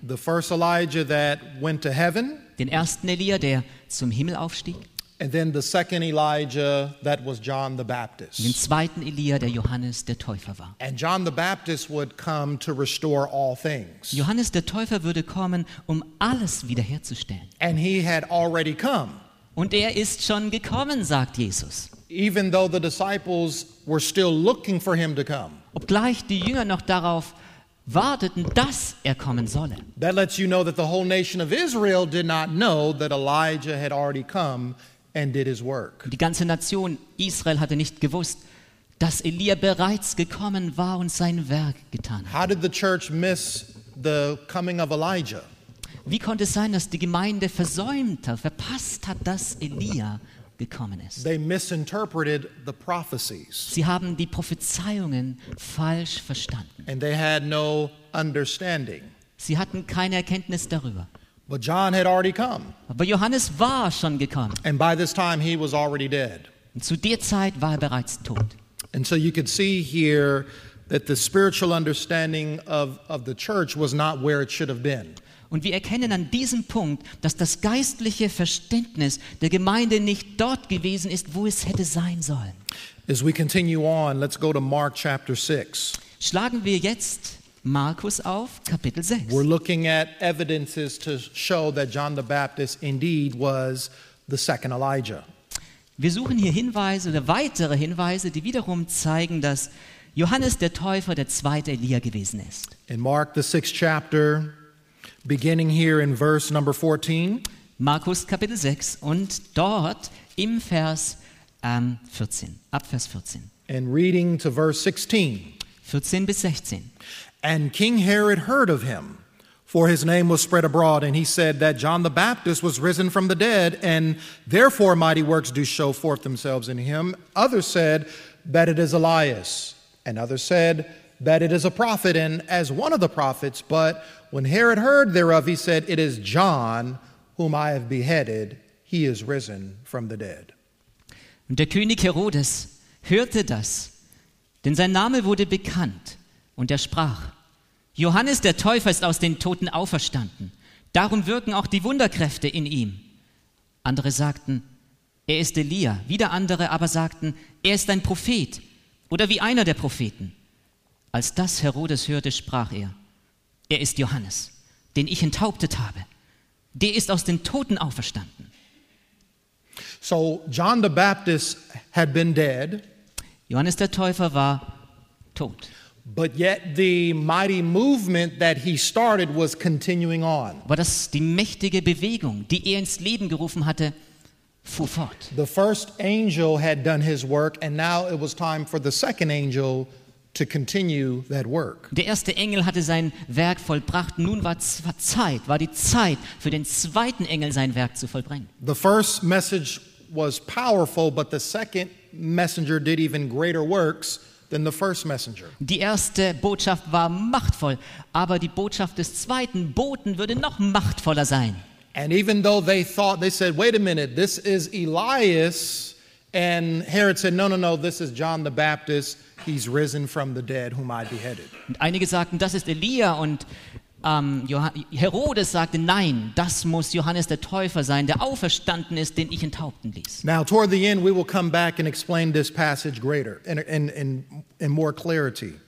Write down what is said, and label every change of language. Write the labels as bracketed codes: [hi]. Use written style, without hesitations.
[en] The first Elijah that went to heaven. [de] Den ersten Elia, der zum Himmel aufstieg. [en] And then the second Elijah, that was John the Baptist. [de] Den zweiten Elia, der Johannes der Täufer war. [en] And John the Baptist would come to restore all things. [de] Johannes der Täufer würde kommen, um alles wiederherzustellen. [en] And he had already come. [de] Und ist schon gekommen, sagt Jesus. [en] Even though the disciples were still looking for him to come. [de] Obgleich die Jünger noch darauf warteten, dass kommen solle. [en] That lets you know that the whole nation of Israel did not know that Elijah had already come and did his work. [de] Die ganze Nation Israel hatte nicht gewusst, dass Elia bereits gekommen war und sein Werk getan hat. [en] How did the church miss the coming of Elijah? [de] Wie konnte es sein, dass die Gemeinde verpasst hat, dass Elia gekommen ist? [en] They misinterpreted the prophecies. [de] Sie haben die Prophezeiungen falsch verstanden. [en] And they had no understanding. [de] Sie hatten keine Erkenntnis darüber. [en] But John had already come. [de] Aber Johannes war schon gekommen. [en] And by this time he was already dead. [de] Und zu der Zeit war bereits tot. [en] And so you could see here that the spiritual understanding of the church was not where it should have been. [de] Und wir erkennen an diesem Punkt, dass das geistliche Verständnis der Gemeinde nicht dort gewesen ist, wo es hätte sein sollen. [en] As we continue on, let's go to Mark chapter 6. [de] Schlagen wir jetzt Markus auf Kapitel 6. [en] We're looking at evidences to show that John the Baptist indeed was the second Elijah. [de] Wir suchen hier Hinweise oder weitere Hinweise, die wiederum zeigen, dass Johannes der Täufer der zweite Elia gewesen ist. [en] In Mark the 6th chapter, beginning here in verse number 14. [de] Markus Kapitel 6 und dort im Vers 14, ab Vers 14. [en] And reading to verse 16. [de] 14 bis 16. [en] And King Herod heard of him, for his name was spread abroad, and he said that John the Baptist was risen from the dead, and therefore mighty works do show forth themselves in him. Others said that it is Elias, and others said that it is a prophet, and as one of the prophets. But when Herod heard thereof, he said, it is John, whom I have beheaded, he is risen from the dead. [de] Und der König Herodes hörte das, denn sein Name wurde bekannt, und er sprach, Johannes der Täufer ist aus den Toten auferstanden, darum wirken auch die Wunderkräfte in ihm. Andere sagten, er ist Elia, wieder andere aber sagten, er ist ein Prophet oder wie einer der Propheten. Als das Herodes hörte, sprach er ist Johannes, den ich enthauptet habe. Der ist aus den Toten auferstanden. [en] So John the Baptist had been dead. [de] Johannes der Täufer war tot. [en] But yet the mighty movement that he started was continuing on. [de] Aber das die mächtige Bewegung, die ins Leben gerufen hatte, fuhr fort. [en] The first angel had done his work and now it was time for the second angel to continue that work. [de] Der erste Engel hatte sein Werk vollbracht. Nun war die Zeit für den zweiten Engel sein Werk zu vollbringen. [en] The first message was powerful, but the second messenger did even greater works than the first messenger. [de] Die erste Botschaft war machtvoll, aber die Botschaft des zweiten Boten würde noch machtvoller sein. [en] And even though they thought, they said, wait a minute, this is Elias. And Herod said, no, this is John the Baptist. He's risen from the dead, whom I beheaded. [de] Und einige sagten, das ist Elia. Und Herodes sagte, nein, das muss Johannes der Täufer sein, der auferstanden ist, den ich enthaupten ließ. [en] Now, toward the end, we will come back and explain this passage greater, in more clarity.